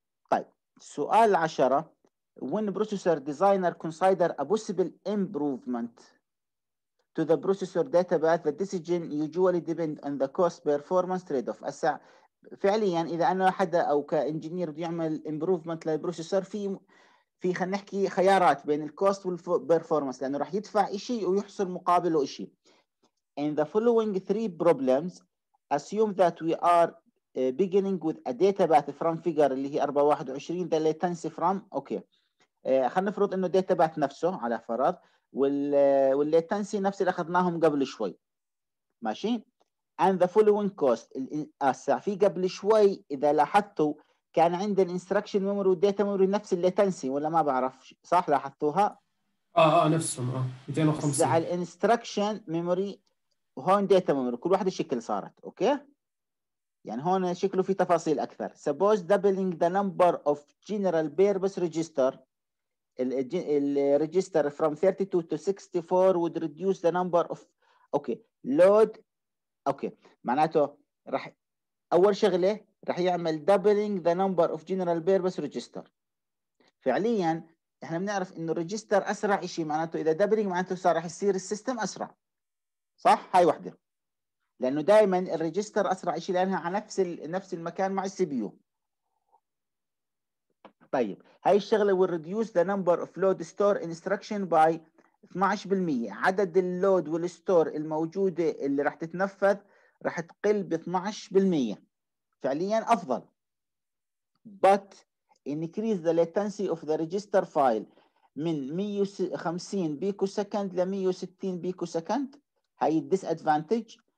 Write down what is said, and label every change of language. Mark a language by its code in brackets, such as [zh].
[ar] طيب سؤال 10، [en] when processor designer consider a possible improvement to the processor database, the decision usually depend on the cost performance trade off. [ar] أسع... فعليا اذا انا حدا او كانجينير بده يعمل improvement للبروسيسور، في خلينا نحكي خيارات بين الكوست والبرفورمانس، لانه راح يدفع شيء ويحصل مقابله شيء. [en] In the following three problems, assume that we are beginning with a data path from figure [ar] اللي هي [en] 421 the latency from. [ar] اوكي خلينا نفرض انه data path نفسه على فرض، والليتنسي نفس اللي اخذناهم قبل شوي، ماشي. [en] And the following cost [ar] في قبل شوي اذا لاحظتوا كان عند الانستركشن ميموري والداتا ميموري نفس الليتنسي ولا ما بعرف، صح لاحظتوها؟ نفسهم 250 على الانستركشن ميموري وهون داتا ميموري، كل واحدة شكل صارت. اوكي يعني هون شكله في تفاصيل اكثر. [en] suppose doubling the number of general purpose register الريجستر from 32 to 64 would reduce the number of okay load. [ar] اوكي معناته راح اول شغله راح يعمل [en] doubling the number of general purpose register. [ar] فعليا احنا بنعرف انه الريجستر اسرع شيء، معناته اذا doubling معناته صار راح يصير السيستم اسرع، صح؟ هاي وحده، لانه دائما الريجستر اسرع شيء لانها على نفس المكان مع السي بي يو. طيب هاي الشغله [en] will reduce the number of load store instruction by 12%، [ar] عدد اللود والستور الموجودة اللي راح تتنفذ راح تقل ب 12%، فعليا أفضل. [en] But increase the latency of the register file [ar] من 150 بيكو سكند ل 160 بيكو سكند، هاي [en] disadvantage.